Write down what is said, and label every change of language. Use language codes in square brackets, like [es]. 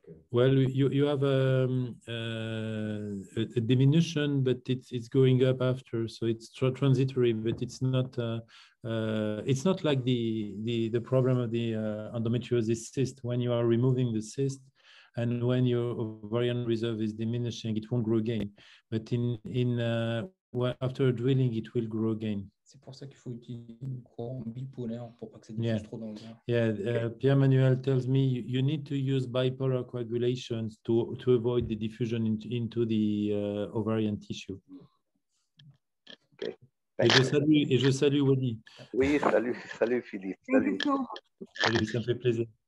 [en] Well, you have a diminution, but it's going up after, so it's transitory, but it's not like the problem of the endometriosis cyst. When you are removing the cyst and when your ovarian reserve is diminishing, it won't grow again, but in after drilling it will grow again. [fr] C'est pour ça qu'il faut utiliser une courant bipolaire pour pas que ça diffuse trop dans le vin. [en] Yeah, Pierre Manuel tells me you need to use bipolar coagulations to avoid the diffusion into the ovarian tissue. Okay. [fr] Et je salue Wally. Oui, salut Philippe. Salut, ça me fait plaisir.